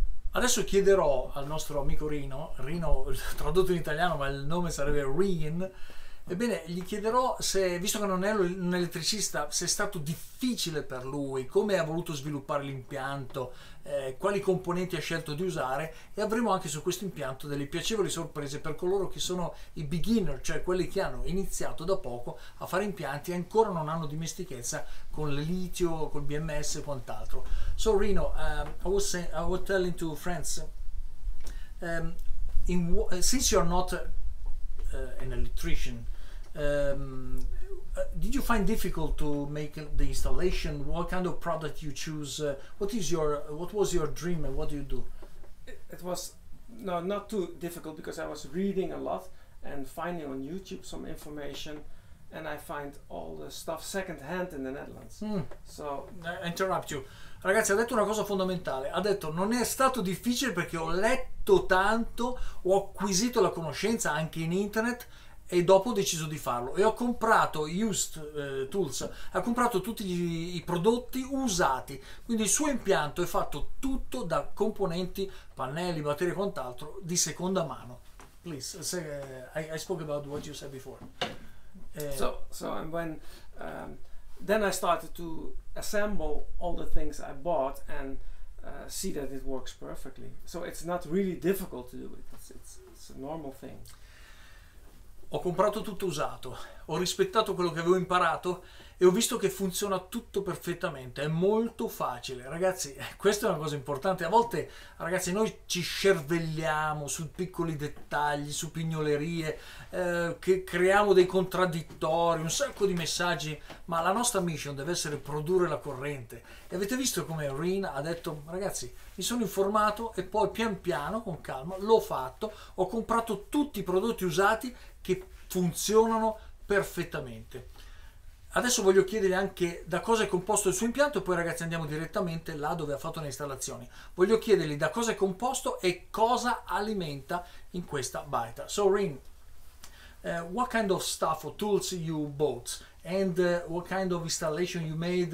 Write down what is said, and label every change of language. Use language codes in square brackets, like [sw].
[it] Adesso chiederò al nostro amico Rino, tradotto in italiano ma il nome sarebbe Rin, ebbene gli chiederò se, visto che non è un elettricista, se è stato difficile per lui, come ha voluto sviluppare l'impianto, quali componenti ha scelto di usare, e avremo anche su questo impianto delle piacevoli sorprese per coloro che sono i beginner, cioè quelli che hanno iniziato da poco a fare impianti e ancora non hanno dimestichezza con il litio, col BMS e quant'altro. [en] So Rino, I was telling to friends, since you're not an electrician, did you find difficult to make the installation? What kind of product you choose? What was your dream and what do you do? It was not too difficult because I was reading a lot and finding on YouTube some information, and I find all the stuff second hand in the Netherlands. [it] Mm. [en] So interrupt you. [it] Ragazzi, ha detto una cosa fondamentale. Ha detto non è stato difficile perché ho letto tanto, ho acquisito la conoscenza anche in internet, e dopo ho deciso di farlo e ho comprato [en] Used Tools, [it] ha comprato tutti i prodotti usati, quindi il suo impianto è fatto tutto da componenti, pannelli, batterie e quant'altro di seconda mano. [en] Please, say, I spoke about what you said before. So and when then I started to assemble all the things I bought and see that it works perfectly. So it's not really difficult to do it. It's a normal thing. [it] Ho comprato tutto usato, ho rispettato quello che avevo imparato e ho visto che funziona tutto perfettamente, è molto facile. Ragazzi, questa è una cosa importante. A volte, ragazzi, noi ci scervelliamo su piccoli dettagli, su pignolerie, che creiamo dei contraddittori, un sacco di messaggi, ma la nostra mission deve essere produrre la corrente. E avete visto come Rin ha detto, ragazzi, mi sono informato e poi pian piano, con calma, l'ho fatto, ho comprato tutti i prodotti usati che funzionano perfettamente. Adesso voglio chiedere anche da cosa è composto il suo impianto e poi, ragazzi, andiamo direttamente là dove ha fatto le installazioni. Voglio chiedergli da cosa è composto e cosa alimenta in questa baita. [en] So Rin, what kind of stuff or tools you bought and what kind of installation you made?